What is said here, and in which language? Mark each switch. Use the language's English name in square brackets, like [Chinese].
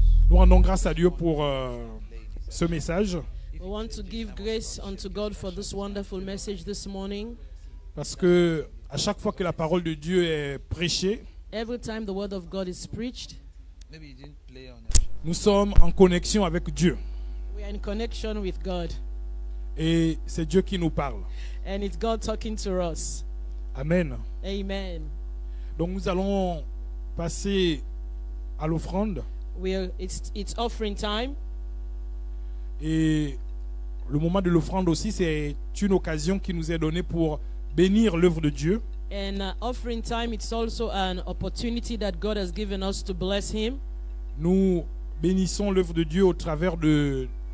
[French] Nous rendons grâce à Dieu pour ce message. [English] We want to give grace unto God for this wonderful message this morning. [French] Parce que à chaque fois que la parole de Dieu est prêchée, [English] every time the word of God is preached, [French] nous sommes en connexion avec Dieu. [English] In connection with God. [French] Et c'est Dieu qui nous parle. [English] And it's God talking to us. [French] Amen. [English] Amen. [French] Donc nous allons passer à l'offrande. [English] It's offering time. [French] Et le moment de l'offrande aussi, c'est une occasion qui nous est donnée pour bénir l'œuvre de Dieu. [English] And offering time, it's also an opportunity that God has given us to bless him. [French] Nous bénissons l'œuvre de Dieu au travers de